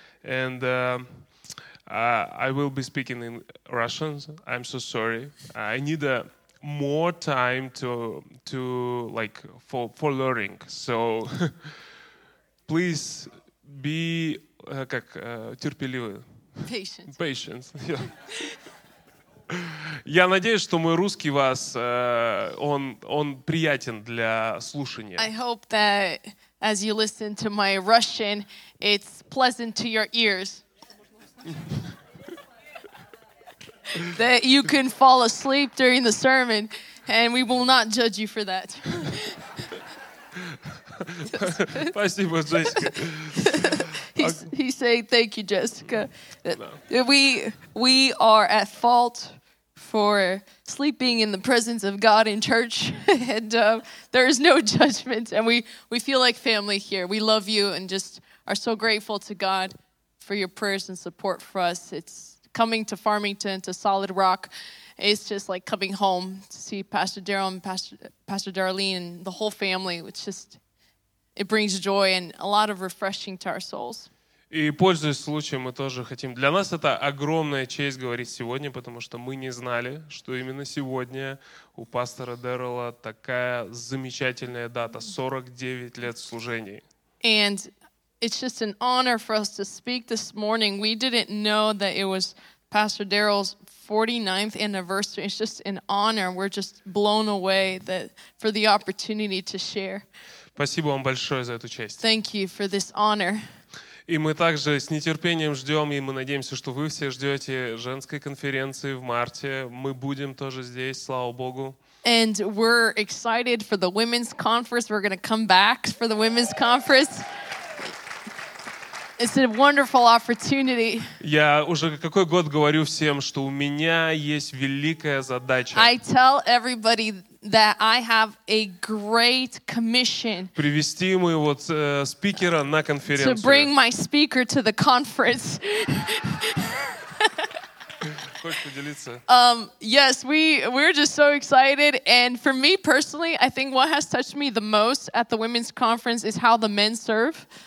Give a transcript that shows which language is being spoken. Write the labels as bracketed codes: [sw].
[en] And I will be speaking in Russian. I'm so sorry. I need more time to learning. So please be [ru] как терпеливый. [en] Patient. [ru] Я надеюсь, что мой русский вас он приятен для слушания. [en] I hope that as you listen to my Russian, it's pleasant to your ears. That you can fall asleep during the sermon, and we will not judge you for that. [ru] Спасибо, Джессика. [en] He's saying thank you, Jessica. No. We are at fault for sleeping in the presence of God in church, and there is no judgment, and we feel like family here. We love you and just are so grateful to God for your prayers and support for us. It's coming to Farmington, to Solid Rock, it's just like coming home to see Pastor Daryl and Pastor Darlene and the whole family. It's just, it brings joy and a lot of refreshing to our souls. [ru] И пользуясь случаем, мы тоже хотим. Для нас это огромная честь говорить сегодня, потому что мы не знали, что именно сегодня у пастора Дэрила такая замечательная дата — 49 лет служений. [en] And it's just an honor for us to speak this morning. We didn't know that it was Pastor Daryl's 49th anniversary. It's just an honor. We're just blown away that for the opportunity to share. [ru] Спасибо вам большое за эту честь. [en] Thank you for this honor. [ru] И мы также с нетерпением ждем, и мы надеемся, что вы все ждете женской конференции в марте. Мы будем тоже здесь, слава Богу. [en] And we're excited for the women's conference. We're going to come back for the women's conference. It's a wonderful opportunity. [ru] Я уже какой год говорю всем, что у меня есть великая задача. [en] I tell everybody that I have a great commission. [ru] Привести моего спикера на конференцию. [en] To bring my speaker to the conference. [ru] Хочешь поделиться? [en] Yes, we're just so excited. And for me personally, I think what has touched me the most at the women's conference is how the men serve.